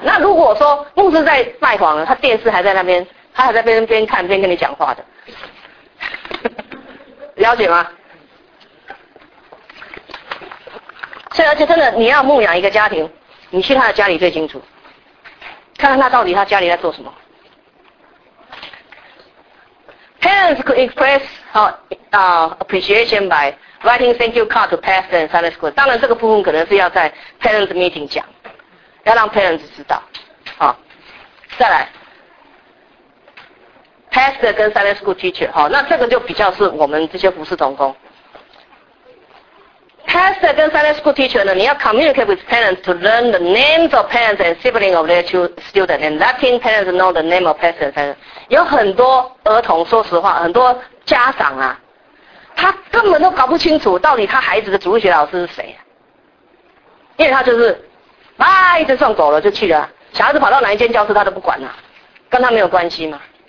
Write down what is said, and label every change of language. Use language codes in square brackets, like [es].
[zh] 那如果说牧师在拜访了，他电视还在那边，他还在边看边跟你讲话的，了解吗？所以，而且真的，你要牧养一个家庭，你去他的家里最清楚，看看他到底他家里在做什么。 [en] Parents could express appreciation by writing thank you card to pastor and Sunday school. [zh] 当然，这个部分可能是要在 [en] parents meeting [zh] 讲，要让 parents 知道。好，再来 ，pastor 跟 Sunday school teacher， 好，那这个就比较是我们这些服事同工。 [en] Pastor [zh] 跟 [en] Sunday school teacher [zh] 呢，你要 [en] communicate with parents to learn the names of parents and siblings of their children and letting parents know the name of pastor. [zh] 有很多儿童，说实话，很多家长啊，他根本都搞不清楚到底他孩子的主日学老师是谁，因为他就是，一直送狗了就去了，小孩子跑到哪一间教室他都不管了，跟他没有关系嘛。